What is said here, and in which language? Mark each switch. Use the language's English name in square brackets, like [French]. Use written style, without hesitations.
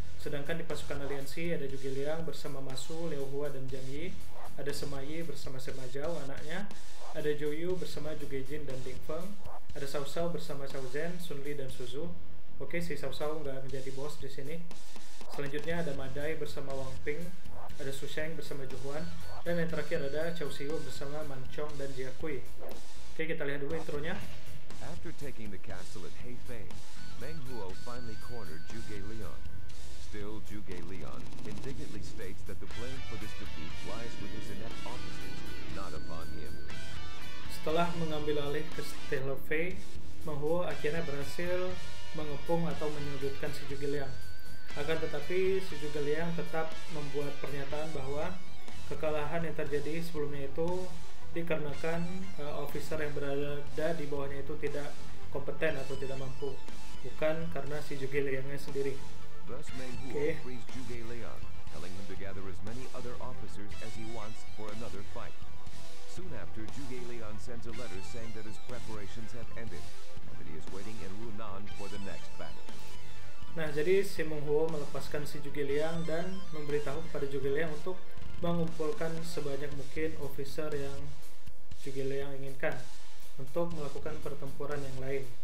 [Indonesian] Sedangkan di pasukan aliansi ada Zhuge Liang bersama Masu, Liu Hua, dan Jiang Yi, ada Semayi bersama Sima Zhao, anaknya, ada Zhuyu bersama Zhuge Jin dan Ding Feng, ada Cao Cao bersama Cao Zhen, Sun Li, dan Suzu. Oke, si Cao Cao nggak menjadi bos di sini. Selanjutnya ada Madai bersama Wang Ping, ada Su Sheng bersama Juhuan, dan yang terakhir ada Chao Xiu bersama Man Chong dan Jia Kui. Oke, kita lihat dulu intronya. [English] After taking the castle at Heifei, Meng Huo finally cornered Zhuge Liang. Still, Zhuge Liang indignantly states that the blame for this defeat lies with his inept officers, not upon him. [Indonesian] Setelah mengambil alih ke Stele Fei, Meng Huo akhirnya berhasil mengepung atau menyudutkan si Zhuge Liang. Akan tetapi, si Zhuge Liang tetap membuat pernyataan bahwa kekalahan yang terjadi sebelumnya itu dikarenakan officer yang berada di bawahnya itu tidak kompeten atau tidak mampu, bukan karena si Zhuge Liangnya sendiri. [English] Thus, Meng Huo frees Zhuge Liang, telling him to gather as many other officers as he wants for another fight. Soon after, Zhuge Liang sends a letter saying that his preparations have ended and that he is waiting in Runan for the next battle. [Indonesian] Nah, jadi si Meng Huo melepaskan si Zhuge Liang dan memberitahu kepada Zhuge Liang untuk mengumpulkan sebanyak mungkin officer yang Zhuge Liang inginkan untuk melakukan pertempuran yang lain.